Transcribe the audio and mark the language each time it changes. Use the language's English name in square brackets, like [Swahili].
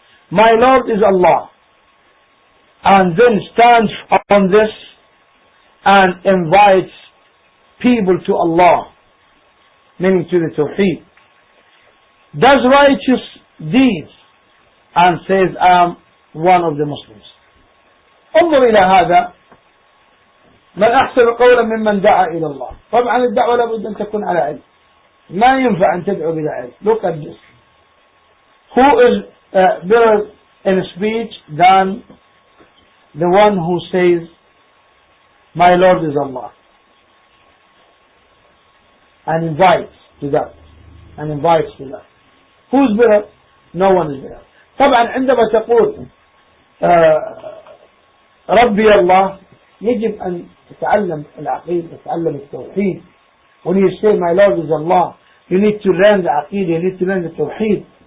[English] my Lord is Allah, and then stands on this and invites people to Allah, meaning to the Tawheed, does righteous deeds and says, I am one of the Muslims. [Arabic] انظر إلى هذا. من أحسن قولا ممن دعا إلى الله. طبعا الدعوة لابد أن تكون على علم. ما ينفع أن تدعو بلا علم. [English] Look at this. Who is better in speech than the one who says, my Lord is Allah, and invites to that, and invites to that. Who's better? No one is better. [Arabic] طبعا عندما تقول ربي الله يجب أن تتعلم العقيدة, تتعلم التوحيد. [English] When you say my Lord is Allah, you need to learn the عقيدة, you need to learn the توحيد.